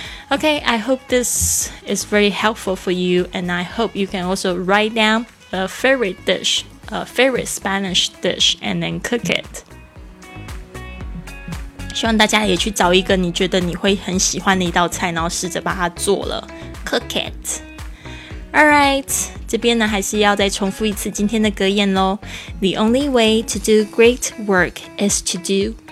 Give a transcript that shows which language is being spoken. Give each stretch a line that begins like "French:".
English: Okay, I hope this is very helpful for you, and I hope you can also write down a favorite dish, a favorite Spanish dish, and then cook it.
Chinese: 希望大家也去找一个你觉得你会很喜欢的一道菜，然后试着把它做了，
English: cook it.
Chinese: All right, 这边呢还是要再重复一次今天的格言咯。
English: The only way to do great work is to do.